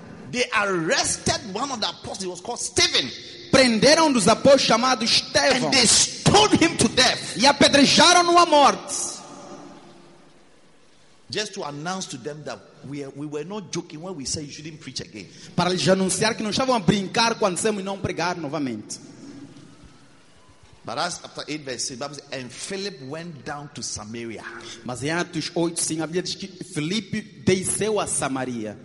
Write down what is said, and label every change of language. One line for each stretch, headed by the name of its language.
English: They arrested one of the apostles. He was called Stephen.
Portuguese: Prenderam um dos apóstolos chamado Estevão.
English: And they stoned him to death.
Portuguese: E apedrejaram-no à morte.
English: Just to announce to them that we were not joking when we said you shouldn't preach again.
Portuguese: Para lhes anunciar que não estavam a brincar quando dissemos não pregar novamente.
English: But as after 8 verse 6, Bible says, and Philip went down to Samaria.
Portuguese: Mas em Atos 8, sim, a Bíblia diz que Filipe desceu a Samaria.